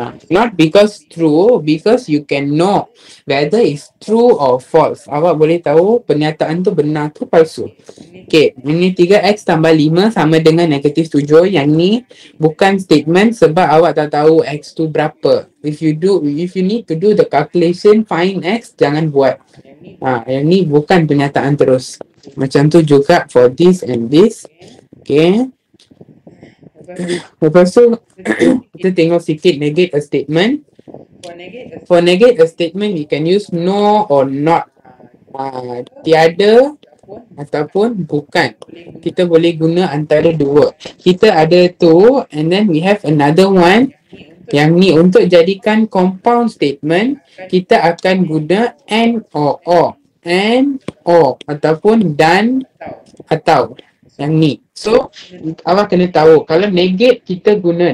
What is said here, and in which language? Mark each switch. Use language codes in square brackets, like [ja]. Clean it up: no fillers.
[en] Not because true, because you can know whether it's true or false. [ms] Awak boleh tahu pernyataan tu benar tu palsu. Okay, ini 3x tambah 5 sama dengan negative 7. Yang ni bukan statement sebab awak tak tahu x tu berapa. [en] If you need to do the calculation, find x, [ms] jangan buat. Yang ni bukan pernyataan terus. Macam tu juga [en] for this and this. [ms] Okay. Lepas tu, kita tengok sikit [en] negate a statement. For negate a statement, you can use no or not. [ms] Tiada ataupun bukan. Kita boleh guna antara dua. Kita ada tu [en] and then we have another one. [ms] Yang ni untuk jadikan compound statement, kita akan guna and or or. And or ataupun dan atau. Yang ni. So, awak kena tahu kalau negate kita guna.